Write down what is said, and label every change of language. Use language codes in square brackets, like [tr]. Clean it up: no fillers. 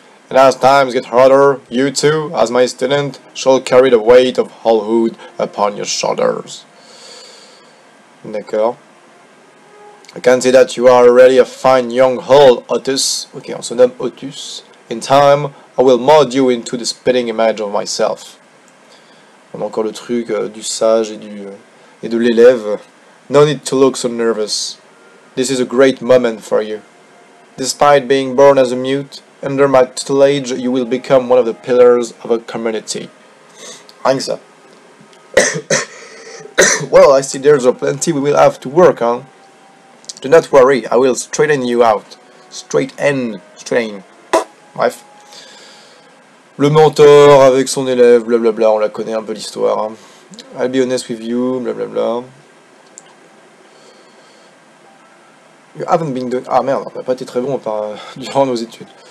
[en] And as times get harder, you too, as my student, shall carry the weight of Owlhood upon your shoulders. D'accord. I can see that you are already a fine young Owl, Otus. Ok, on se nomme Otus. In time, I will mold you into the spitting image of myself. [fr] On a encore le truc du sage et de l'élève. [en] No need to look so nervous. This is a great moment for you. Despite being born as a mute, under my tutelage, you will become one of the pillars of a community. Rien que ça. Well, I see there's a plenty we will have to work on. Do not worry, I will straighten you out. [fr] Straighten. Bref. Le mentor avec son élève, blablabla, on la connaît un peu l'histoire. Hein. [en] I'll be honest with you, blablabla. [fr] You haven't been doing... Ah merde, on n'a pas été très bon durant nos études.